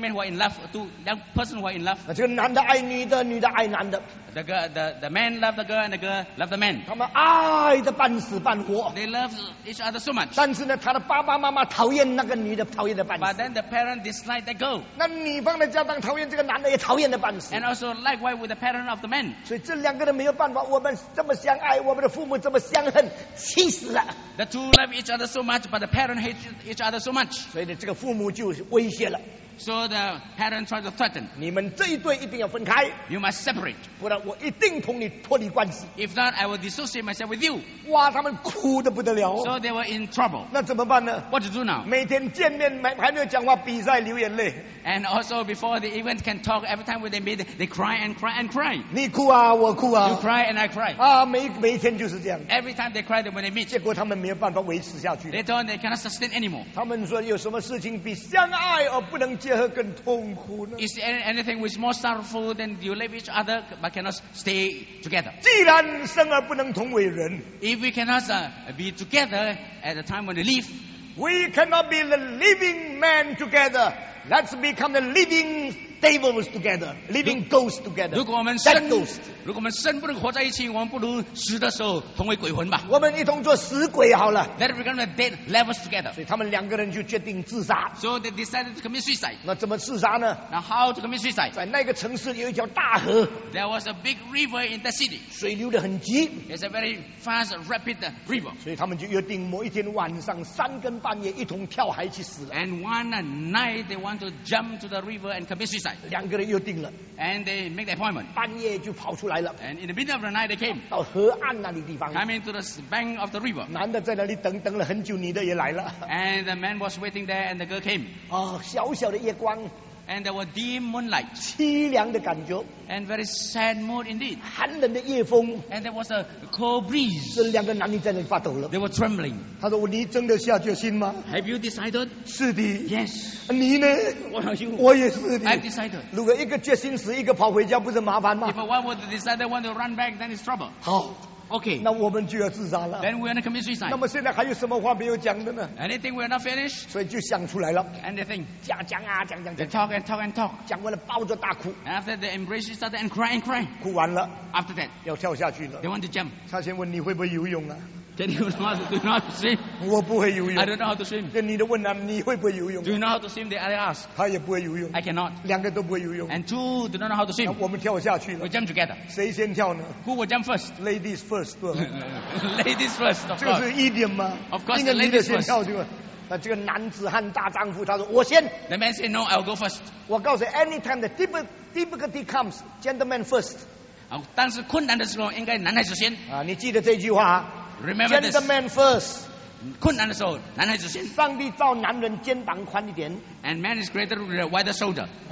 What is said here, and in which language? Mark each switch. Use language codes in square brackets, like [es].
[en] young man who are in love, two young person who are in love. [zh] 那这个男的爱女的，女的爱男的。 [en] The girl, the man love the girl, and the girl love the man. [zh] 他们爱的半死半活。 [en] They love each other so much. [zh] 但是呢，他的爸爸妈妈讨厌那个女的，讨厌的半死。 [en] But then the parents dislike that girl. [zh] 那女方的家长讨厌这个男的，也讨厌的半死。 [en] And also likewise with the parents of the man. [zh] 所以这两个人没有办法，我们这么相爱，我们的父母这么相恨，气死了。 [en] The two love each other so much, but the parents hate each other so much. [zh] 所以呢，这个父母就威胁了。 [en] So the parent tried to threaten. [zh] 你们这一对一定要分开。 [en] You must separate. [zh] 不然我一定同你脱离关系。 [en] If not, I will dissociate myself with you. [zh] 哇，他们哭得不得了。 [en] So they were in trouble. [zh] 那怎么办呢？ [en] What to do now? [zh] 每天见面还没有讲话，比赛流眼泪。 [en] And also before the event can talk, every time when they meet, they cry and cry and cry. [zh] 你哭啊，我哭啊。 [en] You cry and I cry. [zh] 啊，每天就是这样。 [en] Every time they cry, then when they meet. [zh] 结果他们没有办法维持下去。 [en] They don't, they cannot sustain anymore. [zh] 他们说有什么事情比相爱而不能结合更痛苦呢？ [en] Is there anything which is more sorrowful than you love each other but cannot stay together? [zh] 既然生而不能同为人， [en] if we cannot be together at the time when we live, we cannot be the living man together. Let's become the living tables together, living ghosts together. [zh] 如果我们生 如果我们生不能活在一起，我们不如死的时候同为鬼魂吧。我们一同做死鬼好了。 [en] Let us become the dead levels together. [zh] 所以他们两个人就决定自杀。 [en] So they decided to commit suicide. [zh] 那怎么自杀呢？ [en] Now how to commit suicide? [zh] 在那个城市有一条大河。 [en] There was a big river in that city. [zh] 水流得很急。 [en] It's a very fast, rapid river. [zh] 所以他们就约定某一天晚上三更半夜一同跳海去死。 [en] And one night they want to jump to the river and commit suicide. [zh] 两个人约定了。 [en] And they make the appointment. [zh] 半夜就跑出来。 [en] And in the middle of the night, they came. [zh] 到河岸那里地方。 [en] Coming to the bank of the river. [zh] 男的在那里等，等了很久，女的也来了。 [en] And the man was waiting there, and the girl came. [zh] 哦，小小的夜光。 [en] And there was dim moonlight. [zh] 凄凉的感觉。 [en] And very sad mood indeed. [zh] 寒冷的夜风。 [en] And there was a cold breeze. [zh] 这两个男女在那里发抖了。 [en] They were trembling. [zh] 他说：“你真的下决心吗？” [en] Have you decided? [zh] 是的。 [en] Yes. [zh] 你呢？ [en] What are you? [zh] 我也是的。 [en] I've decided. [zh] 如果一个决心死，一个跑回家，不是麻烦吗？ [en] If one would decide, one to run back, then it's trouble. [zh] 好。 [en] Okay. [zh] 那我们就要自杀了。 [en] Then we're gonna commit suicide. [zh] 那么现在还有什么话没有讲的呢？ [en] Anything we're not finished? [zh] 所以就想出来了。 [en] Anything? [zh] 讲。 [en] They talk and talk and talk. [zh] 讲完了抱着大哭。 [en] After they embrace each other and cry and cry. [zh] 哭完了。 [en] After that. [zh] 要跳下去了。 [en] They want to jump. [zh] 他先问你会不会游泳啊？ [en] Then he was not, do you know how to swim? [zh] 我不会游泳。 [en] I don't know how to swim. [zh] 你的问他你会不会游泳？ [en] Do you know how to swim? They ask. [zh] 他也不会游泳。 [en] I cannot. [zh] 两个都不会游泳。 [en] And two do not know how to swim. [zh] 我们跳下去了。 [en] We jump together. [zh] 谁先跳呢？ [en] Who will jump first? Ladies first. Ladies first. [zh] 这个是 idiom 吗？ [en] Of course, ladies first. 应该 [zh] 女的先跳对吧？那这个男子汉大丈夫，他说我先。 [en] The man said no, I'll go first. [zh] 我告诉 [en] anytime the difficulty comes, gentleman first. [zh] 当时困难的时候，应该男孩子先。你记得这句话。 [en] Remember this. Gentleman first. [zh] 困难的时候，男孩子先。上帝造男人肩膀宽一点。 [en] And man is greater with a wider shoulder.